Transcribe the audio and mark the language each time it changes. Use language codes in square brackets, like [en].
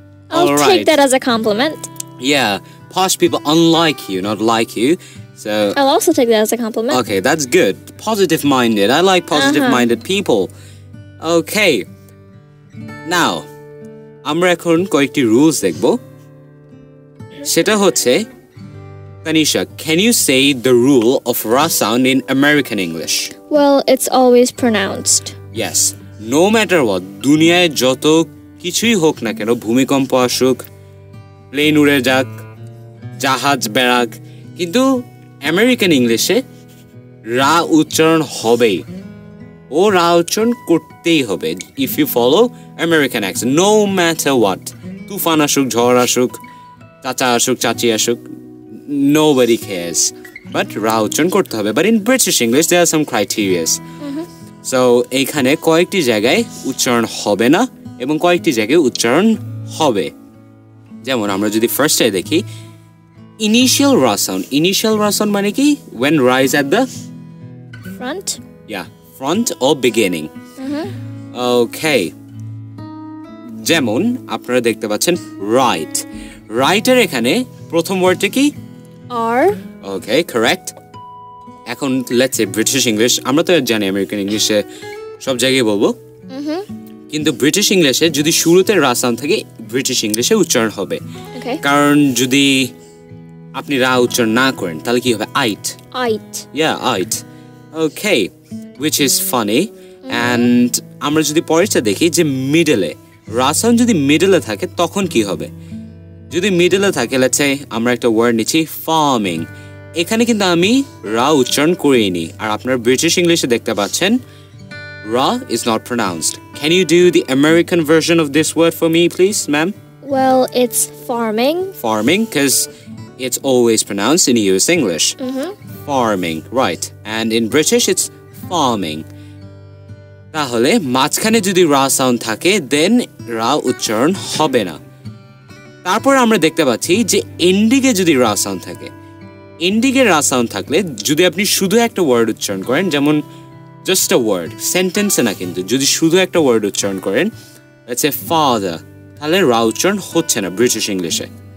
[en] I'll take that as a compliment. Yeah, posh people unlike you, not like you. So I'll also take that as a compliment. Okay, that's good. Positive-minded. I like positive-minded people. Okay. [bn] Now, আমরা এখন কয়েকটি rules দেখবো. সেটা হচ্ছে, [en] Tanisha, can you say the rule of ra sound in American English? Well, it's always pronounced. Yes. No matter what, [bn] দুনিয়ায় যত কিছুই হোক না কেন, ভূমিকম্প আসুক, প্লেন উড়ে যাক, জাহাজ বেড়াক, কিন্তু American English এ রা উচ্চারণ হবেই, ও রা উচ্চারণ করতেই হবে. [en] If you follow American accent, no matter what, [bn] তুফান আসুক, ঝড় আসুক, চাচা আসুক, চাচি আসুক, [en] nobody cares, but [bn] রা উচ্চারণ করতে হবে. [en] But in British English there are some criteria. [bn] So এখানে কয়েকটি জায়গায় উচ্চারণ হবে না এবং কয়েকটি জায়গায় উচ্চারণ হবে. যেমন আমরা যদি ফার্স্টে দেখি, initial ra sound. Initial ra sound মানে কি? [en] When ra is at the front. Yeah, front or beginning. Okay. [bn] যেমন আপনারা দেখতে পাচ্ছেন right. Right এর এখানে প্রথম ওয়ার্ডটা কি? [en] R. Okay, correct. [bn] এখন [en] let's say British English. [bn] আমরা তো জানি American English এ সব জায়গায় বলবো. কিন্তু British English এ যদি শুরুতে ra sound থাকে, British English এ উচ্চারণ হবে. [en] Okay. [bn] কারণ যদি আপনি রা উচ্চারণ না করেন তাহলে কি হবে? [en] Eight. Eight. Yeah, eight. Okay, which is funny. [bn] And আমরা যদি পরেরটা দেখি, যে মিডলে রা সাউন্ড যদি মিডলে থাকে তখন কি হবে? যদি মিডলে থাকে, [en] let's say [bn] আমরা একটা ওয়ার্ড নিচ্ছি ফার্মিং, এখানে কিন্তু আমি রা উচ্চারণ করিনি. আর আপনারা ব্রিটিশ ইংলিশে দেখতে পাচ্ছেন রা [en] Is not pronounced. Can you do the American version of this word for me please ma'am? Well, it's farming. Farming, cause it's always pronounced in US English. Farming, right. And in British, it's farming. [bn] তাহলে মাঝখানে যদি রা sound থাকে, [en] then [bn] রা উচ্চারণ হবে না. তারপর আমরা দেখতে পাচ্ছি যে এন্ডিংয়ে যদি রা সাউন্ড থাকে, এন্ডিংয়ে রা সাউন্ড থাকলে যদি আপনি শুধু একটা ওয়ার্ড উচ্চারণ করেন, যেমন [en] just a word, [bn] সেন্টেন্সে না কিন্তু, যদি শুধু একটা ওয়ার্ড উচ্চারণ করেন, [en] let's say [bn] father, তাহলে রা উচ্চারণ হচ্ছে না ব্রিটিশ ইংলিশে.